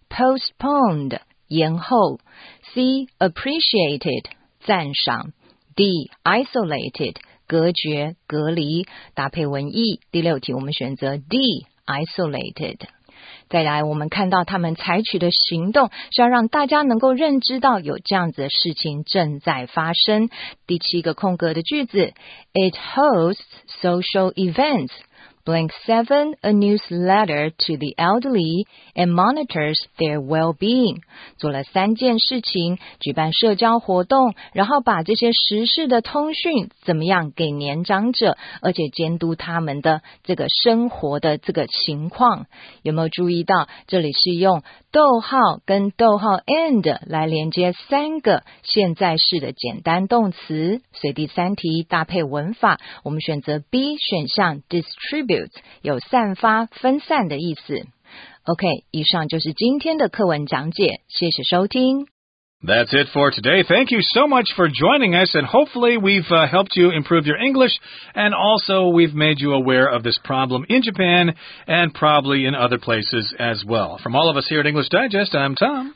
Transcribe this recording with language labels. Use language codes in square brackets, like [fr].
[zh] postponed 延后 C. appreciated 赞赏D. isolated, 隔绝、隔离，搭配文意。第六题我们选择 D. isolated。再来我们看到他们采取的行动是要让大家能够认知到有这样子的事情正在发生。第七个空格的句子 [en] It hosts social events, blank seven a newsletter to the elderly and monitors their well-being. [zh] 做了三件事情，举办社交活动，然后把这些时事的通讯怎么样给年长者，而且监督他们的这个生活的这个情况。有没有注意到，这里是用逗号跟逗号 and 来连接三个现在式的简单动词。所以第三题搭配文法，我们选择 B 选项 distribute， 有散发、分散的意思。 OK, 以上就是今天的课文讲解，谢谢收听。 [en] That's it for today. Thank you so much for joining us, and hopefully we've helped you improve your English, and also we've made you aware of this problem in Japan, and probably in other places as well. From all of us here at English Digest, I'm Tom.